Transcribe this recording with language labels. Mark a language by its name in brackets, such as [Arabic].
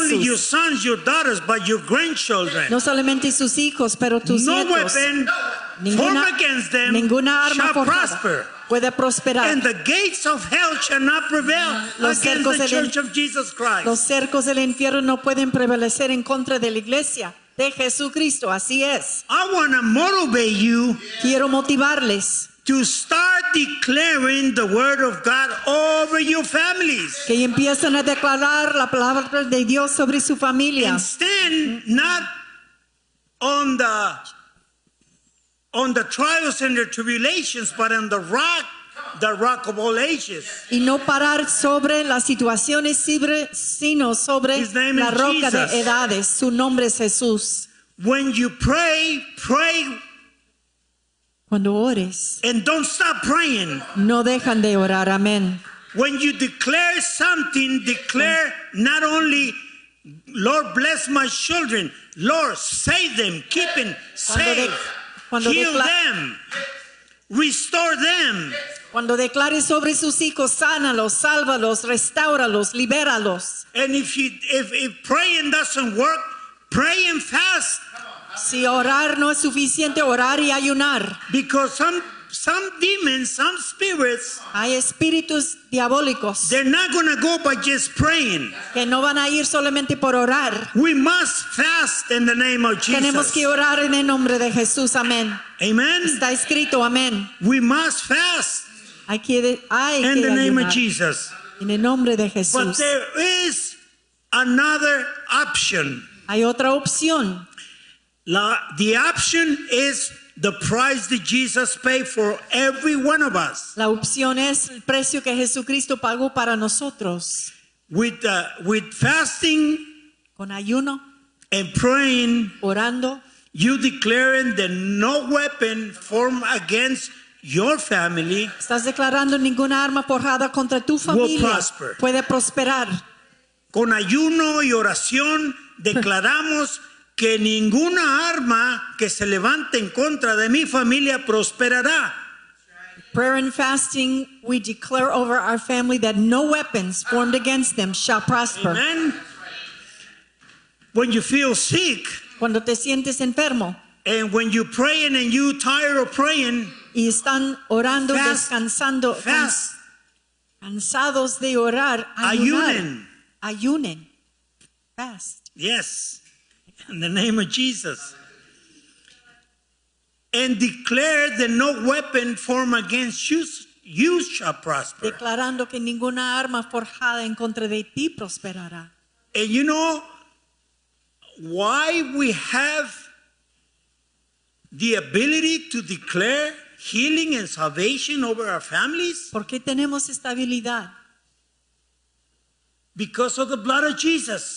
[English] only your sons, your daughters, but your grandchildren. [Spanish] No solamente sus hijos, pero tus no nietos. [English] No weapon formed against them [Spanish] ninguna arma [English] shall prosper. [Spanish] Puede prosperar. [English] And the gates of hell shall not prevail against the church of Jesus Christ. [Spanish] Los cercos del infierno no pueden prevalecer en contra de la iglesia de Jesucristo. Así es. [English] I want to motivate you. [Spanish] Quiero motivarles. [English] To start declaring the word of God over your families. [Spanish] Que empiecen a declarar la palabra de Dios sobre su familia. [English] And stand not on the trials and the tribulations, but on the rock the rock of all ages. [Spanish] Y no parar sobre las situaciones, sino sobre la roca de edades. Su nombre es Jesús. [English] When you pray, pray. [Spanish] Cuando ores. [English] And don't stop praying. [Spanish] No dejan de orar. Amén. [English] When you declare something, declare not only, Lord, bless my children. Lord, save them, keep them safe. Heal them. Restore them. [Spanish] Cuando declare sobre sus hijos, sánalos, sálvalos, restáuralos, libéralos. [English] And if praying doesn't work, pray and fast. [Spanish] Si orar no es suficiente, orar y ayunar. [English] Because some demons, some spirits, [Spanish] hay espíritus diabólicos, [English] they're not going to go by just praying. [Spanish] Que no van a ir solamente por orar. [English] We must fast in the name of Jesus. [Spanish] Tenemos que orar en el nombre de Jesús. Amén. [English] Amen. [Spanish] Está escrito. Amén. [English] We must fast in the name of Jesus. [Spanish] En el nombre de Jesús. [English] But there is another option. [Spanish] Hay otra opción. [English] The option is the price that Jesus paid for every one of us. [Spanish] La opción es el precio que Jesucristo pagó para nosotros. [English] With fasting, [Spanish] con ayuno, [English] and praying, [Spanish] orando, [English] you declaring that no weapon formed against your family, [Spanish] estás declarando ninguna arma forjada contra tu familia, [English] will prosper. [Spanish] Puede prosperar. Con ayuno y oración declaramos que ninguna arma que se levante en contra de mi familia prosperará. [English] Prayer and fasting, we declare over our family that no weapons formed against them shall prosper. Amen. When you feel sick, [Spanish] cuando te sientes enfermo, [English] and when you praying and you tired of praying, [Spanish] y están orando, [English] fast, [Spanish] descansando, [English] fast, [Spanish] cansados de orar, ayunen, [English] fast. Yes. In the name of Jesus. And declare that no weapon formed against you shall prosper. [Spanish] Declarando que ninguna arma forjada en contra de ti prosperará. [English] And you know why we have the ability to declare healing and salvation over our families? [Spanish] ¿Por qué tenemos esta habilidad? [English] Because of the blood of Jesus.